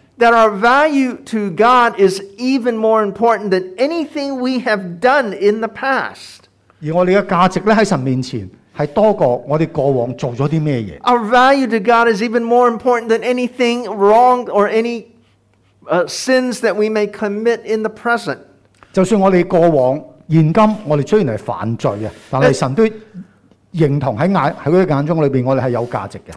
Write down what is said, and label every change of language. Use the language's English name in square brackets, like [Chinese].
[English] That our value to God is even more important than anything we have done in the past。 [Cantonese] 而我哋嘅价值咧喺神面前系多过我哋过往做咗啲咩嘢。 [English] Our value to God is even more important than anything wrong or any sins that we may commit in the present。 [Cantonese] 就算我哋过往。現今我哋雖然係犯罪啊，但係神都認同喺佢嘅眼中裏邊，我哋係有價值嘅。